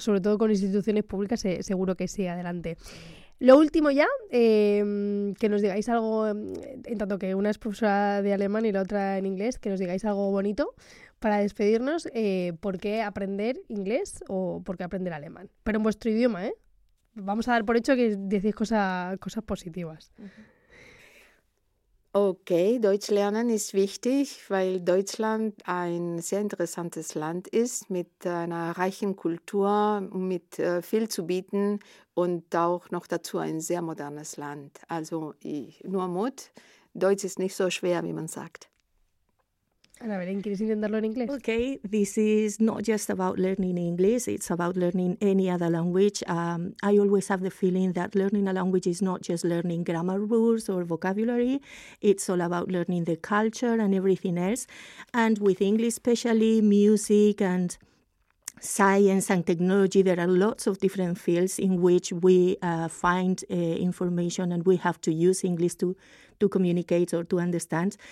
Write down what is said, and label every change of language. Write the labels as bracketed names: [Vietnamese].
[Spanish] Sobre todo con instituciones públicas, seguro que sí, adelante. Lo último ya, que nos digáis algo, en tanto que una es profesora de alemán y la otra en inglés, que nos digáis algo bonito para despedirnos, ¿por qué aprender inglés o por qué aprender alemán? Pero en vuestro idioma, vamos a dar por hecho que decís cosas positivas. [German] Okay, Deutsch lernen ist wichtig, weil Deutschland ein sehr interessantes Land ist mit einer reichen Kultur, mit viel zu bieten und auch noch dazu ein sehr modernes Land. Also nur Mut, Deutsch ist nicht so schwer, wie man sagt. [Spanish] Ana Belén, ¿quieres intentarlo en inglés? [English] Okay, this is not just about learning English, it's about learning any other language. I always have the feeling that learning a language is not just learning grammar rules or vocabulary, it's all about learning the culture and everything else. And with English especially, music and science and technology, there are lots of different fields in which we find information and we have to use English to communicate or to understand.